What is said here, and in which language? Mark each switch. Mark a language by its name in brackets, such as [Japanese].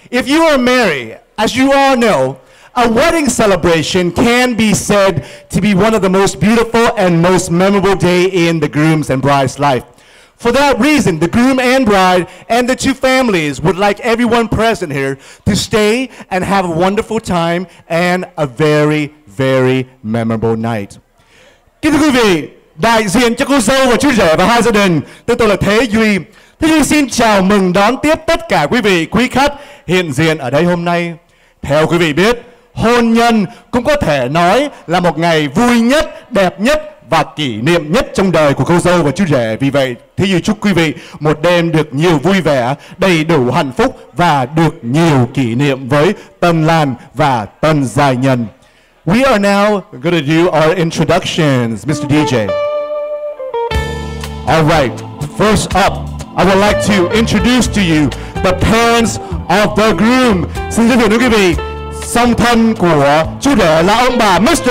[English] If you are married, as you all know, a wedding celebration can be said to be one of the most beautiful and most memorable day in the groom's and bride's life. For that reason, the groom and bride and the two families would like everyone present here to stay and have a wonderful time and a very, very memorable night. [Vietnamese] Kính thưa quý vị, đại diện cho cô dâu và chú rể và hai gia đình, tôi tên là Thế Duy. Thế Duy xin chào mừng đón tiếp tất cả quý vị, quý khách hiện diện ở đây hôm nay. Theo quý vị biết, hôn nhân cũng có thể nói là một ngày vui nhất, đẹp nhất và kỷ niệm nhất trong đời của cô dâu và chú rể. Vì vậy, Thế Duy chúc quý vị một đêm được nhiều vui vẻ, đầy đủ hạnh phúc và được nhiều kỷ niệm với tân lan và tân gia nhân. [English] We are now going to do our introductions, Mr. DJ. All right, first up, I would like to introduce to you the parents of the groom. [Vietnamese] Xin giới thiệu với quý vị, song thân của chú rể là ông bà Mr.